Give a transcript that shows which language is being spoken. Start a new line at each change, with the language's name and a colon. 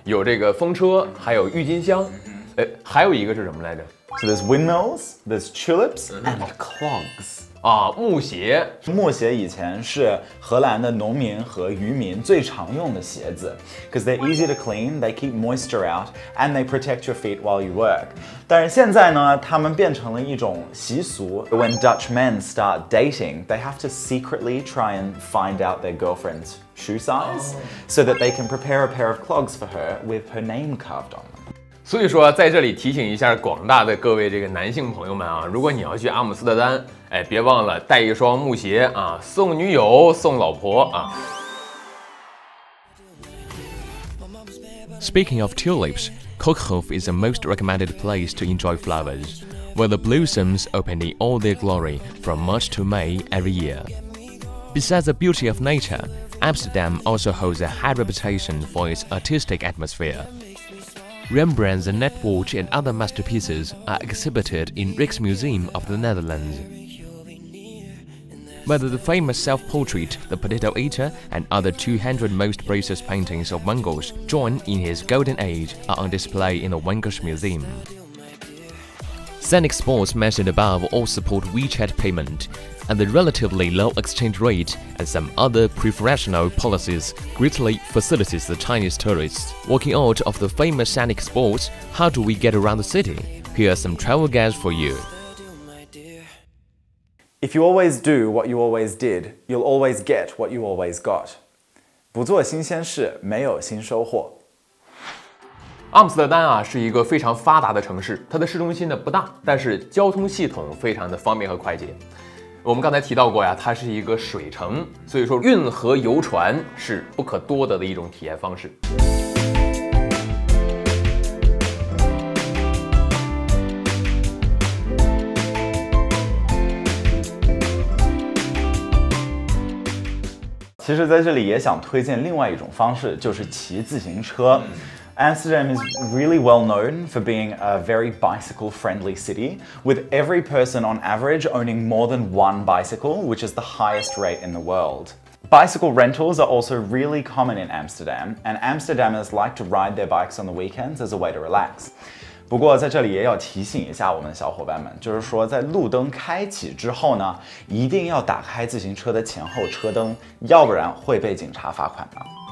Chinese: 有这个风车，还有郁金香，还有一个是什么来着？
English: So there's windmills, there's tulips, and clogs.
Chinese: 啊，木鞋。木鞋以前是荷兰的农民和渔民最常用的鞋子，
English: because they're easy to clean, they keep moisture out, and they protect your feet while you work.
Chinese: 但是现在呢，他们变成了一种习俗。
English: When Dutchmen start dating, they have to secretly try and find out their girlfriend's shoe size, so that they can prepare a pair of clogs for her with her name carved on them.
Chinese: 所以说在这里提醒一下广大的各位这个男性朋友们啊，如果你要去阿姆斯特丹，哎，别忘了带一双木鞋啊，送女友送老婆啊。
English: Speaking of tulips, Kokhof is the most recommended place to enjoy flowers, where the blossoms open in all their glory from March to May every year. Besides the beauty of nature, Amsterdam also holds a high reputation for its artistic atmosphere. Rembrandt's Nightwatch and other masterpieces are exhibited in Rijksmuseum of the Netherlands. Whether the famous self-portrait, the Potato Eater, and other 200 most precious paintings of Van Gogh drawn in his golden age are on display in the Van Gogh Museum. Scenic spots mentioned above all support WeChat payment, and the relatively low exchange rate and some other preferential policies greatly facilitates the Chinese tourists. Walking out of the famous scenic spots, how do we get around the city? Here are some travel guides for you. If you always do what you always did, you'll always get what you always got.
Chinese: 不做新鲜事，没有新收获。阿姆斯特丹啊是一个非常发达的城市，它的市中心呢不大，但是交通系统非常的方便和快捷。我们刚才提到过呀，它是一个水城，所以说运河游船是不可多得的一种体验方式。其实在这里也想推荐另外一种方式，就是骑自行车。
English: Amsterdam is really well known for being a very bicycle-friendly city, with every person on average owning more than one bicycle, which is the highest rate in the world. Bicycle rentals are also really common in Amsterdam, and Amsterdamers like to ride their bikes on the weekends as a way to relax.
Chinese: 不过在这里也要提醒一下我们的小伙伴们，就是说在路灯开启之后呢，一定要打开自行车的前后车灯，要不然会被警察罚款的。